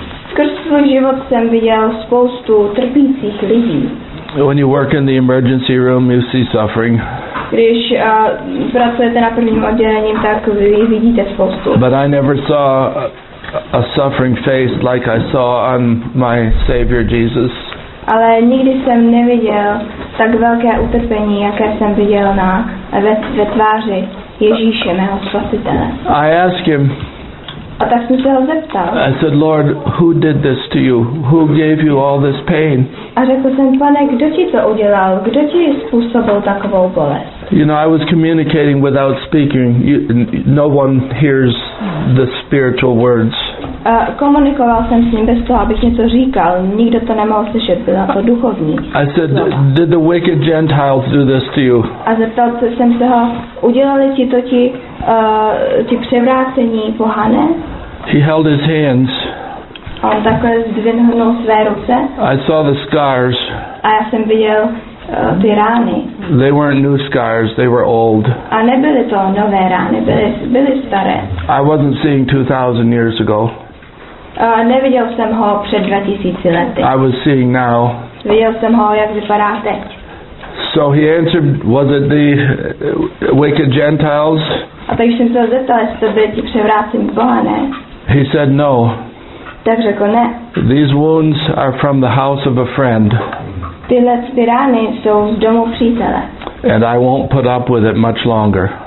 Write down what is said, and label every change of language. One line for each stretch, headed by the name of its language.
Czech: Skrz svůj život jsem viděl spoustu trpících lidí.
English: When you work in the emergency room, you see suffering.
Czech: Když pracujete na prvním oddělení, tak vy vidíte spoustu.
English: But I never saw a suffering face like I saw on my Savior Jesus.
Czech: Ale nikdy jsem neviděl tak velké utrpení, jaké jsem viděl ve tváři Ježíše, mého spasitele.
English: I asked him.
Czech: A tak jsem se ho zeptal.
English: I said, Lord, who did this to you? Who gave you all this pain?
Czech: A řekl jsem, pane, kdo ti to udělal? Kdo ti způsobil takovou bolest?
English: You know, I was communicating without speaking. No one hears the spiritual words.
Czech: Komunikoval jsem s ním bez toho, abych něco říkal. Nikdo to nemohl slyšet, byla to duchovní.
English: I said, did the wicked Gentiles do this to you?
Czech: A zeptal jsem se ho, udělali ti to ti převrácení pohané?
English: He held his hands.
Czech: A on takhle zdvihnul své ruce.
English: I saw the scars.
Czech: A já jsem viděl ty rány.
English: They weren't new scars, they were old.
Czech: A nebyly to nové rány, byly staré.
English: I wasn't seeing 2000 years ago.
Czech: Neviděl jsem ho před 2000 lety.
English: I was seeing now.
Czech: Viděl jsem ho, jak vypadá teď.
English: So he answered, was it the wicked Gentiles?
Czech: A tak jsem se zeptal, jestli to byly ti převrácení pohané.
English: He said no.
Czech: Tak řekl ne.
English: These wounds are from the house of a friend.
Czech: Tyhle rány jsou z domu přítele.
English: And I won't put up with it much longer.